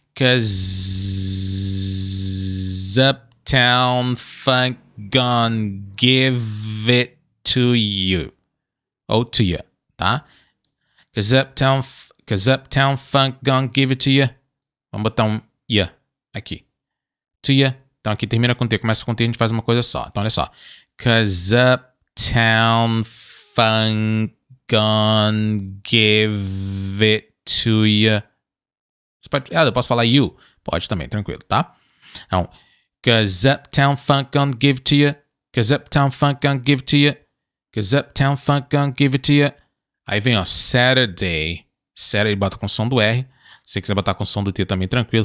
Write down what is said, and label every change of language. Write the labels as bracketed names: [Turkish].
[English] Cause uptown funk gonna give it to you. Oh, to you, [Portuguese] tá? [English] Cause uptown funk gonna give it to you. [Portuguese] Vamos botar um yeah aqui. [English] To you. [Portuguese] Então aqui termina com T, começa com T, a gente faz uma coisa só. Então olha só. [English] Cause uptown funk gonna give it to you. [Portuguese] Você pode, eu posso falar you? Pode também, tranquilo, tá? Então, [English] cause uptown funk gonna give it to you. Cause uptown funk gonna give it to you. Cause uptown funk gonna give it to you. [Portuguese] Aí vem, ó, Saturday, ele bota com som do R. Se você quiser botar com som do T também, tranquilo.